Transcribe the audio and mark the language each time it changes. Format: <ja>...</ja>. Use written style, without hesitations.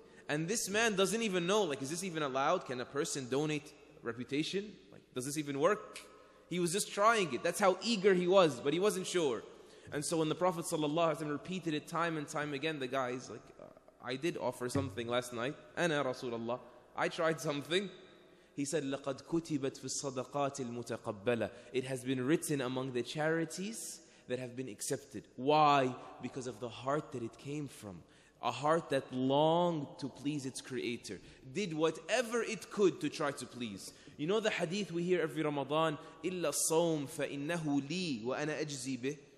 <en>And this man doesn't even know, like, is this even allowed? Can a person donate reputation? Like, does this even work? He was just trying it. That's how eager he was, but he wasn't sure. And so when the Prophet sallallahu alayhi wa sallam repeated it time and time again, the guy is like, "I did offer something last night. Ana Rasulullah. I tried something." He said,</en> <ar>"لَقَدْ كُتِبَتْ فِي الصَّدَقَاتِ الْمُتَقَبَّلَةِ."</ar> <en>It has been written among the charities that have been accepted. Why? Because of the heart that it came from. A heart that longed to please its creator. Did whatever it could to try to please. You know the hadith we hear every Ramadan?</en> <ar>إِلَّا الصَّوْمْ فَإِنَّهُ لِي وَأَنَا أَجْزِي بِهِ.</ar>